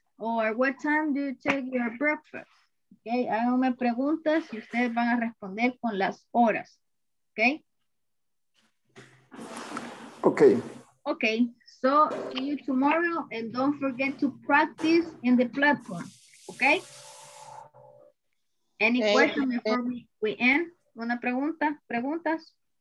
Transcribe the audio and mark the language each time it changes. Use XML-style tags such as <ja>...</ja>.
<en>Or what time do you take your breakfast? Okay.</en> <es>Háganme preguntas y ustedes van a responder con las horas.</es> <en>Okay. Okay. Okay. So, see you tomorrow and don't forget to practice in the platform. Okay. Any question before we end?</en> <es>¿Una pregunta? ¿Preguntas?</es>